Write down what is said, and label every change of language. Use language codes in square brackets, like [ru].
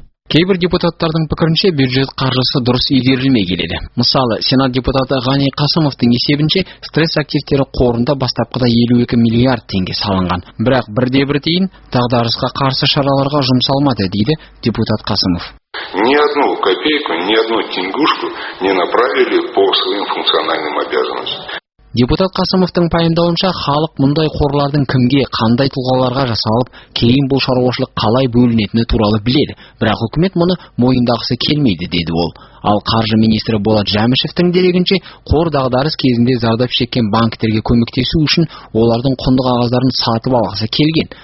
[kk] Кейбір депутаттардың пікірінше бюджет қаржысы дұрыс игерілмей келеді. Мысалы, сенат депутаты Ғани Қасымовтың есебінше стресс активтері қорында бастапқыда 52 миллиард теңге салынған. Бірақ бірде бір тиын дағдарысқа қарсы шараларға жұмсалмады, дейді депутат Қасымов. [ru] Ни одну копейку, ни одну тенгушку не направили по своим функциональным обязанностям. [kk] Депутат Қасымовтың пайымдауынша, халық мұндай қорлардың кімге, қандай тұлғаларға жасалып, кейін бұл шаруашылық қалай бөлінетіні туралы біледі, бірақ үкімет мұны мойындағысы келмейді, деді ол. Ал қаржы министрі Болат Жәмішевтің дерегінше, қор дағдарыс кезінде зардап шеккен банктерге көмектесу үшін олардың құнды қағаздарын сатып алғысы келген.